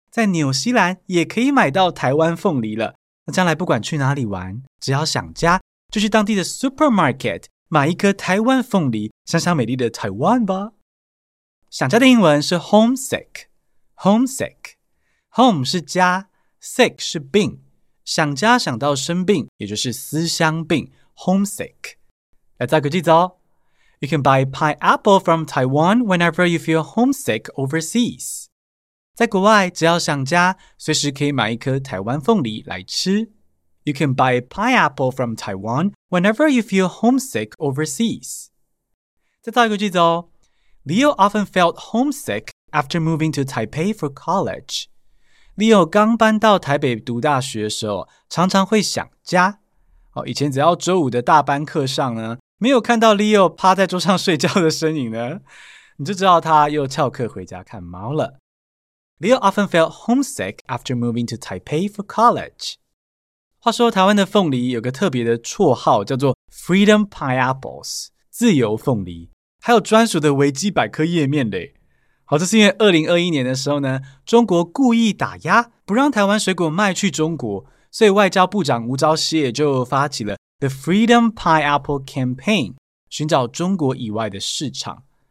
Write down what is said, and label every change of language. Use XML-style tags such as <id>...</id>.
<zh>在纽西兰也可以买到台湾凤梨了。那将来不管去哪里玩，只要想家，就去当地的 supermarket 买一颗台湾凤梨，想想美丽的台湾吧。想家的英文是 homesick， homesick。 home 是家， sick 是病，想家想到生病，也就是思乡病， homesick。来造个句子哦。</zh> <en>You can buy pineapple from Taiwan whenever you feel homesick overseas.</en> <zh>在国外只要想家，随时可以买一颗台湾凤梨来吃。</zh> <en>You can buy pineapple from Taiwan whenever you feel homesick overseas.</en> <zh>再造一个句子哦。</zh> <en>Leo often felt homesick after moving to Taipei for college.</en> <zh>Leo 刚搬到台北读大学的时候，常常会想家。哦，以前只要周五的大班课上呢，没有看到 Leo 趴在桌上睡觉的身影呢，你就知道他又翘课回家看猫了。</zh> <en>Leo often felt homesick after moving to Taipei for college.</en> <zh>话说台湾的凤梨有个特别的绰号，叫做 Freedom Pineapples， 自由凤梨，还有专属的维基百科页面咧。好，这是因为2021年的时候呢，中国故意打压，不让台湾水果卖去中国，所以外交部长吴钊燮就发起了The Freedom Pineapple Campaign， 寻找中国以外的市场。</zh>